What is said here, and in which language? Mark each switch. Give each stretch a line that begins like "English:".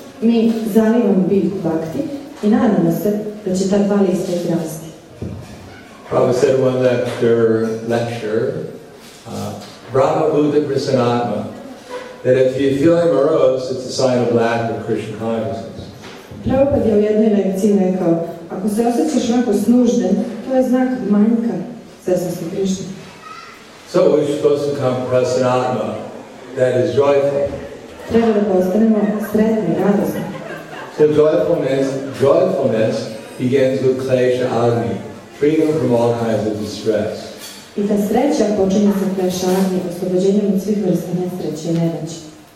Croatian: Mi zalivamo biljku bhakti i nadamo se da će ta dva lista i rasti.
English: Prabhupada said one after lecture, Brahma Buddha Prasanatma, that if you feel him morose, it's a sign of lack of Krishna consciousness.
Croatian: Prabhupada je u jednoj lekciji rekao, ako se osjećaš onako snužden, to je znak manjka svjesnosti Krishna.
English: So we're supposed to become Prasanatma, that is joyful.
Croatian: Treba da postanemo sretni, radosni.
English: So joyfulness begins with klesha agni, freedom from all kinds of distress.
Croatian: I ta sreća počinje sa klešanje, oslobođenjem od svih vrsta nesreće i nedaće.